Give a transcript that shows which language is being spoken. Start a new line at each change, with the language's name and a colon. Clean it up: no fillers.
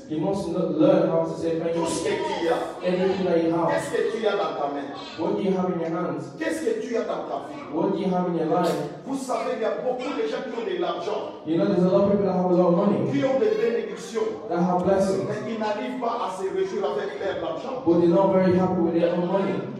English: You must learn how to say thank you. Everything that you have.
French: Qu'est-ce que tu as dans ta main?
English: What do you have in your hands?
French: Qu'est-ce que tu as dans ta vie?
English: What do you have in your life?
French: Vous savez, il y a beaucoup de gens qui ont de l'argent.
English: You know, there's a lot of people that have a lot of money.
French: Qui ont des bénédictions.
English: That have blessings.
French: Mais ils n'arrivent pas à se réjouir avec leur argent.
English: But they're not very happy with their own money.